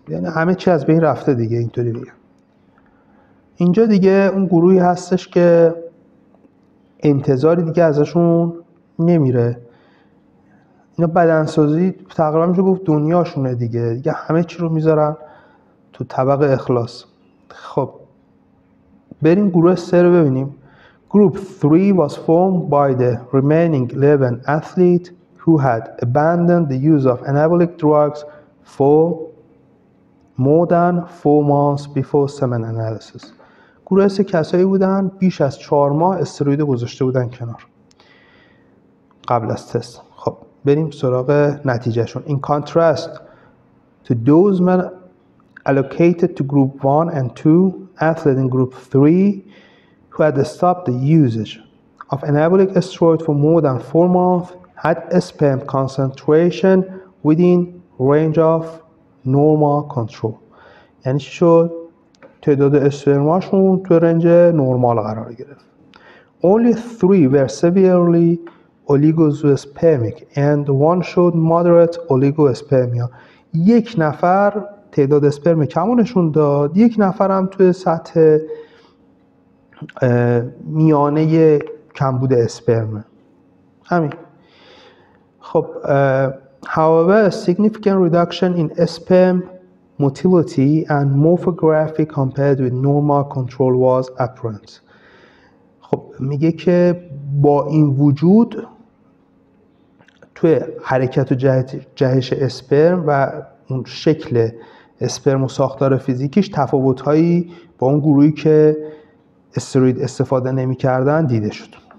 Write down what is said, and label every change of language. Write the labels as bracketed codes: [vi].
[fa] یعنی همه چی از بین رفته دیگه، اینطوری بگم. اینجا دیگه اون گروهی هستش که انتظاری دیگه ازشون نمیره. اینا بدنسازی تقریبا میشه گفت دنیاشونه دیگه. دیگه همه چی رو میذارن تو طبق اخلاص. خب بریم گروه 3 رو ببینیم. [en] Group 3 was formed by the remaining 11 athletes who had abandoned the use of anabolic drugs for more than 4 months before semen analysis. [fa] گروه 3 کسایی بودن بیش از 4 ماه استروید گذاشته بودن کنار قبل از تست. خب بریم سراغ نتیجهشون. [en] In contrast to those men allocated to group 1 and 2, athletes in group 3 who had stopped the usage of anabolic steroid for more than 4 months had sperm concentration within range of normal control. [fa] یعنی چی شد؟ تعداد اسپرماشون تو رنج نرمال قرار گرفت. [en] Only 3 were severely oligospermic and 1 showed moderate oligospermia. [fa] یک نفر تعداد اسپرم کمونشون داد، یک نفر هم توی سطح میانه کمبود اسپرم. همین. [en] خب however significant reduction in sperm motility and morphography compared with normal control was apparent. [fa] خب میگه که با این وجود توی حرکت و جهش اسپرم و اون شکل اسپرم و ساختار فیزیکیش تفاوت‌هایی با اون گروهی که استروید استفاده نمی کردن دیده شد.